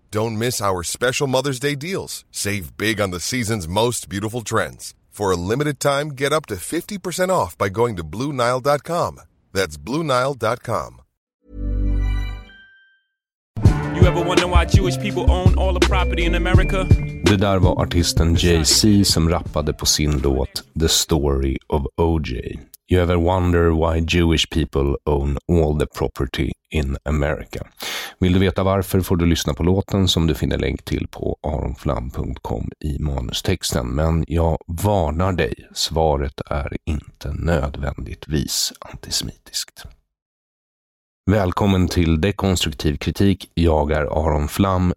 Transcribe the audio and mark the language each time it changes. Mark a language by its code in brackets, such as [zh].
[en] Don't miss our special Mother's Day deals. Save big on the season's most beautiful trends. For a limited time, get up to 50% off by going to BlueNile.com. That's BlueNile.com. You ever wonder why Jewish people own all the property in America? [sv] Det där var artisten Jay-Z som rappade på sin låt The Story of O.J. [en] You ever wonder why Jewish people own all the property in America? [sv] Vill du veta varför får du lyssna på låten som du finner länk till på aronflam.com i manustexten. Men jag varnar dig, svaret är inte nödvändigtvis antisemitiskt. Välkommen till Dekonstruktiv kritik. Jag är Aron Flam.